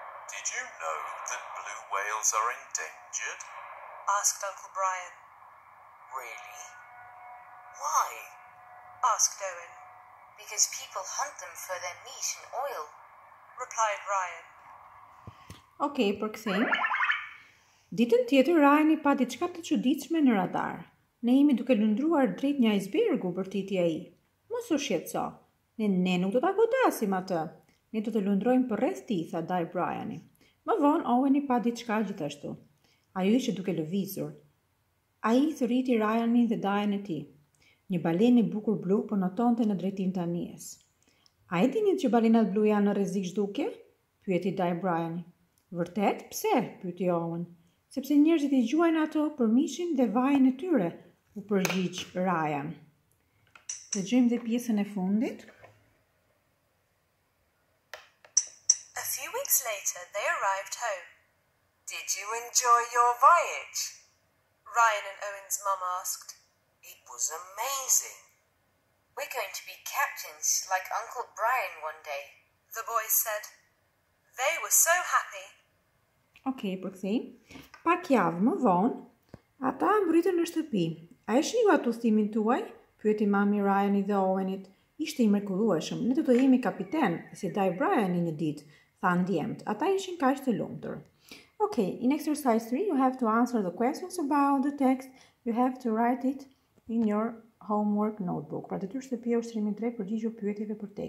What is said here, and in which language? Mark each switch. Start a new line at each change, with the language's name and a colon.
English: Did you know that blue whales are endangered? Asked Uncle Brian. Really? Why? Asked Owen. Because people hunt them for their meat and oil, replied Ryan.
Albanian: Okay, përkthejmë. Ditën tjetër, Ryan i pa diçka të çuditshme në radar. Ne jemi duke lundruar drejt një icebergu, përtiti ai. Mos u shqetëso, ne nuk do ta godasim atë. Ne do të lundrojmë për rreth ti, tha Dai Bryani. Më vonë, Owen i pa diçka gjithashtu. Ajo ishte duke lëvizur. Ai i thëriti Ryanin dhe Dajen e ti. Një balen i bukur blu po notonte në drejtim të anijes. A e dinit që balenat blu janë në rrezik zhdukje? Pyeti Dai Bryani. Vërtet, pse? Pyeti Owen. Sepse njerëzit i gjuajnë ato për mishin dhe vajin e tyre, u përgjigj Ryan. Të gjejmë dhe pjesën e fundit.
English: Later, they arrived home. Did you enjoy your voyage? Ryan and Owen's mum asked. It was amazing. We're going to be captains like Uncle Brian one day, the boys said. They were so happy.
Albanian: Okay, përkthim. Pak javë më vonë, ata mbritën në shtëpi. A e shihu atë udhëtimin tuaj? Pyeti mami Ryanit dhe Owenit. Ishte i mrekullueshëm. Ne do të jemi kapiten, si Dai Bryani një ditë. Than djemt, ata ishin kaq të lumtur.
English: Okay, in exercise 3, you have to answer the questions about the text. You have to write it in your homework notebook.
Albanian: Pra detyrë shtëpia ushtrimin 3, përgjigjo pyetjeve për tekst.